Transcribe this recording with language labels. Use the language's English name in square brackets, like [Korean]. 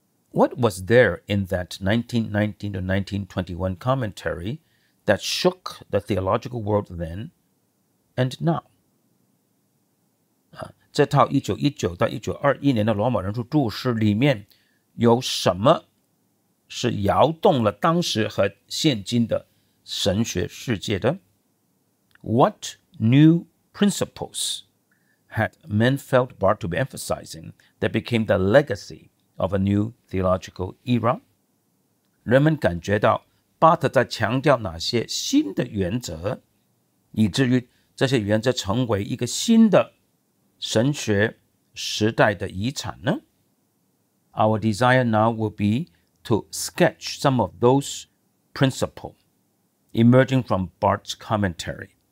[English] What was there in that 1919 to 1921 commentary that shook the theological world then and now? [Chinese] 这套1919到1921年的罗马人书注释里面有什么是摇动了当时和现今的神学世界的？ [English] What new principles? Had men felt Barth to be emphasizing that became the legacy of a new theological era? [Chinese] 人们感觉到巴特在强调哪些新的原则，以至于这些原则成为一个新的神学时代的遗产呢？ [English] Our desire now will be to sketch some of those principles emerging from Barth's commentary.